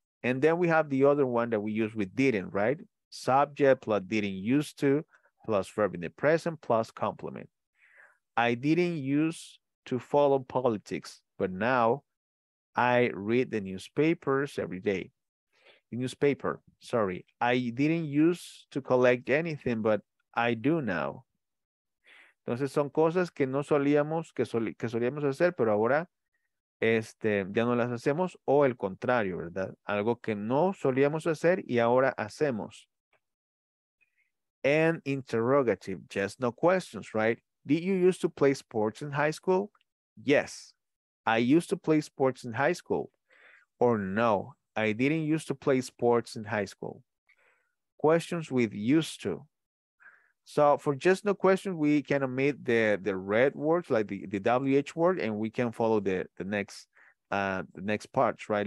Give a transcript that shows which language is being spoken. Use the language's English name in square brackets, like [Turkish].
[English] And then we have the other one that we use with didn't, right? Subject plus didn't used to plus verb in the present plus complement. I didn't use to follow politics, but now I read the newspapers every day. The newspaper, sorry. I didn't use to collect anything, but I do now. [Spanish] Entonces son cosas que no solíamos, que solíamos hacer, pero ahora ya no las hacemos, o el contrario, ¿verdad? Algo que no solíamos hacer y ahora hacemos. [English] And interrogative, just no questions, right? Did you used to play sports in high school? Yes, I used to play sports in high school. Or no, I didn't used to play sports in high school. Questions with used to. So for just no question, we can omit the red words, like the WH word, and we can follow the next parts, right?